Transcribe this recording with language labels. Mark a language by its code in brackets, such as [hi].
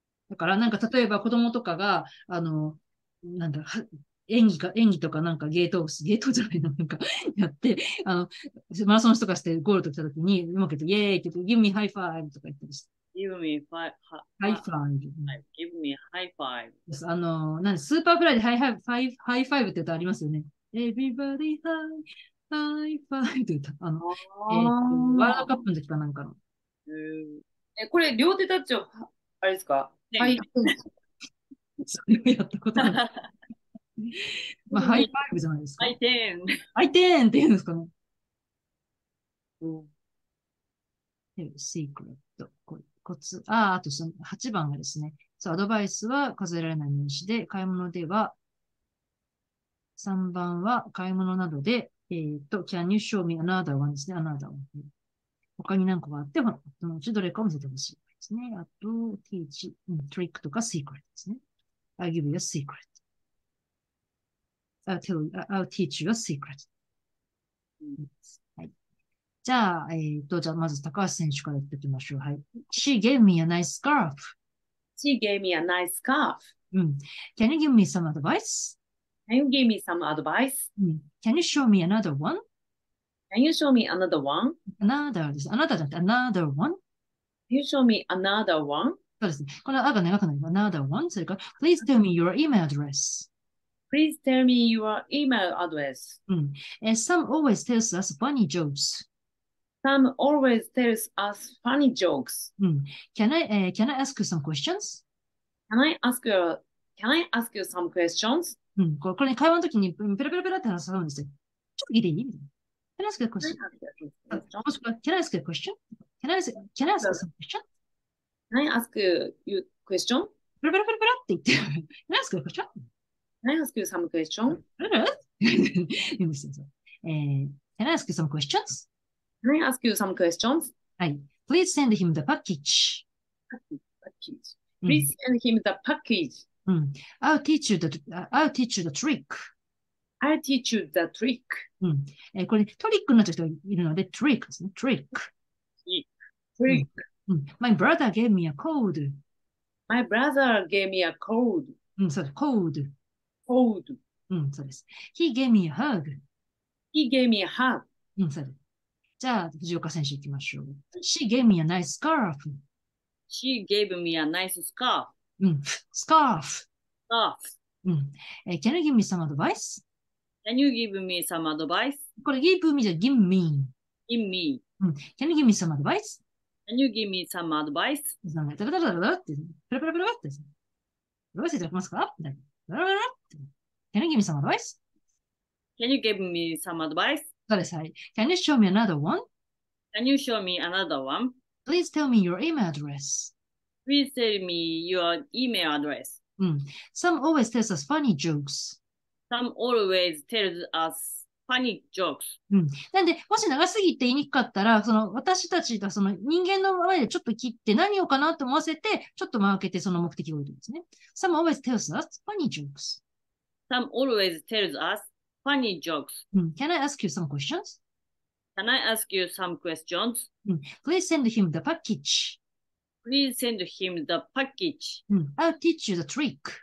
[ja] だから、なんか例えば子供とかが、なんだ、演技とかなんかゲートじゃないの、なんか やって、マラソンとかしてゴールと来た時に、うまくイエーイって言って、ギブミハイファイブとか言ってました。 [en] Give me five, ha, [ja] ハイフハ。ァイブ。 [en] Give me high five. [ja] です。なんで、スーパーフライでハイファイブって歌ありますよね。 [en] Everybody high five って歌。 [ja] ワールドカップの時かなんかの。これ、両手タッチを、あれですか？ハイファイブ。それをやったことない。まあ、ハイファイブじゃないですか。ハイテーンって言うんですかね。シークレット。コツ。ああ、あとその8番がですね。そう、アドバイスは数えられない名詞で、買い物では、3番は買い物などで、 [en] can you show me another one [ja] ですね、another one。他に何個があっても、そのうちどれかを見せてほしいですね。あと、teach, trick とか secret ですね。 [en] I'll give you a secret. I'll teach you a secret. [ja] じゃあ、まず高橋選手から言っていきましょう。はい。 [en] She gave me a nice scarf. She gave me a nice scarf. Can you give me some advice? Can you give me some advice? Can you show me another one? Can you show me another one? [ja] Another です。あなたじゃなくて、another one? [en] Can you show me another one? [ja] そうですね。このあが長くなります。 [en] another one? [ja] それから、 [en] Please tell me your email address. Please tell me your email address. Sam always tells us funny jokes. Sam always tells us funny jokes. Can I ask you some questions? Can I ask you some questions? [ja] これね、会話の時にペラペラペラって話すんですよ。ちょっと聞いていい？ [en] Can I ask you a question? [ja] もしくは、 [en] Can I ask you a question? Can I ask you some questions? Can I ask you question? [ja] ペラペラペラペラって言って。 [en] Can I ask you a question? Can I ask you some question? Can I ask you some questions? Can I ask you some questions? [ja] はい。 [en] Please send him the package. Please send him the package. I'll teach you the trick. I'll teach you the trick. [ja] これ、トリックになっちゃう人がいるので、トリックですね。トリック。 [en] Trick. My brother gave me a code. My brother gave me a code. [ja] そうです。コード。 [en] Code. [ja] そうです。 [en] He gave me a hug. He gave me a hug. [ja] そうです。じゃあ、藤岡選手行きましょう。 [en] She gave me a nice scarf. She gave me a nice scarf. Scarf. Scarf. Can you give me some advice? Can you give me some advice? [ja] これ、 [en] give me [ja] じゃ、 [en] give me. Give me.、 Can you give me some advice? Can you give me some advice? [ja] なんか、ダラダラダラって、プラプラプラって。どうしていただけますか？ダラダラって。 [en] Can you give me some advice? Can you give me some advice? [ja] そうです。はい。 [en] Can you show me another one? Can you show me another one? Please tell me your email address. Please tell me your email address. Some always tells us funny jokes. Some always tells us funny jokes. [ja] なんで、もし長すぎて言いにくかったら、私たちがその人間の前でちょっと切って何をかなと思わせて、ちょっと間を空けてその目的を言うんですね。 [en] Some always tells us funny jokes. Some always tells us funny jokes. Can I ask you some questions? Can I ask you some questions? Please send him the package. Please send him the package. I'll teach you the trick.